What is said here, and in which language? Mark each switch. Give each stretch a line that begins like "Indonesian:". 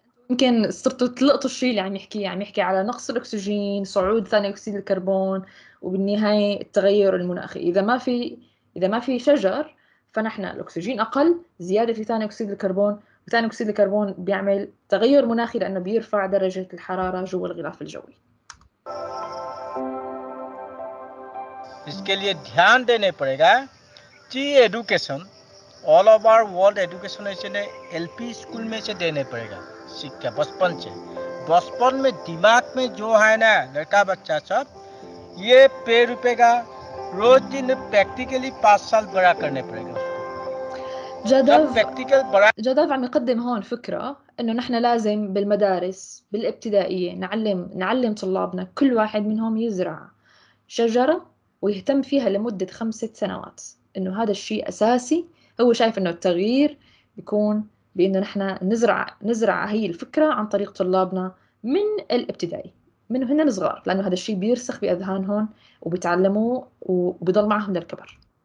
Arabic: يمكن صرتوا تلقطوا الشيء اللي عم يحكيه، عم يحكي على نقص الأكسجين، صعود ثاني أكسيد الكربون، وبالنهاية التغير المناخي. إذا ما في شجر، فنحن الأكسجين أقل، زيادة في ثاني أكسيد الكربون، وثاني أكسيد الكربون بيعمل تغير مناخي لأنه بيرفع درجة الحرارة جوا الغلاف الجوي.
Hindi: इसके लिए ध्यान देने पड़ेगा कि
English: education all over world education
Hindi: इसे एलपी स्कूल में से देने पड़ेगा। शिक्षा बचपन से, बचपन में दिमाग में जो है ना लड़का बच्चा सब, ये पेड़ रुपएगा रोज दिन प्रैक्टिकली 5 साल बड़ा करने पड़ेगा उसको।
Arabic: جاداف جاداف عم يقدم هون فكرة إنه نحن لازم بالمدارس بالابتدائية نعلم طلابنا كل واحد منهم يزرع شجرة ويهتم فيها لمدة 5 سنوات، إنه هذا الشيء أساسي. هو شايف إنه التغيير بيكون بأنه نحن نزرع هي الفكرة عن طريق طلابنا من الابتدائي، من هنا الصغار، لأنه هذا الشيء بيرسخ بأذهانهم وبتعلموا وبيضل معهم للكبر.